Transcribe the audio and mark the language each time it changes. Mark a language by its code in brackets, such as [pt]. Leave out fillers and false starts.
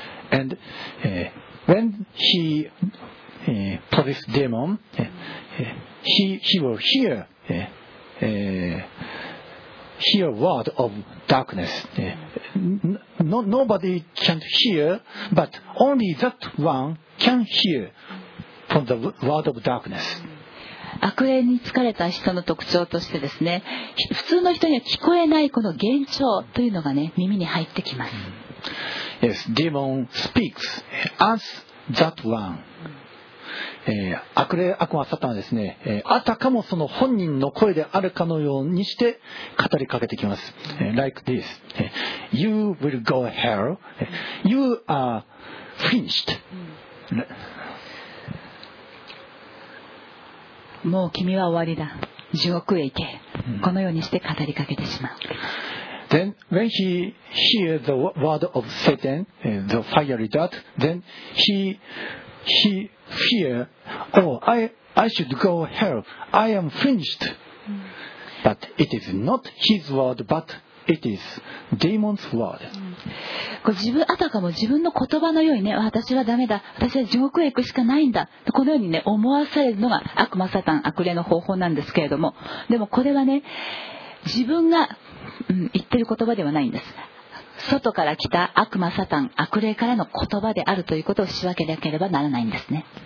[en] And when he possessed demon, he will hear hear word of darkness. Nobody can hear, but only that one can hear from the word of darkness. [ja] 悪霊に疲れた人の特徴としてですね、普通の人には聞こえないこの幻聴というのがね、耳に入ってきます。 [en] Yes, demon speaks as that one. [ja] 悪霊、悪魔、サタンはですね、あたかもその本人の声であるかのようにして語りかけてきます。 [en] Like this. You will go hell. You are finished. [ja] もう君は終わりだ。地獄へ行け。このようにして語りかけてしまう。 [en] Then when he hears the word of Satan, the fiery dart, then he fear, oh, I should go hell. I am finished. But it is not his word, but it is demon's word. [ja] こう自分あたかも自分の言葉のようにね、私はダメだ、私は地獄へ行くしかないんだ、このようにね思わされるのが悪魔サタン、悪霊の方法なんですけれども、でもこれはね自分が、言ってる言葉ではないんです。外から来た悪魔サタン、悪霊からの言葉であるということを仕分けなければならないんですね。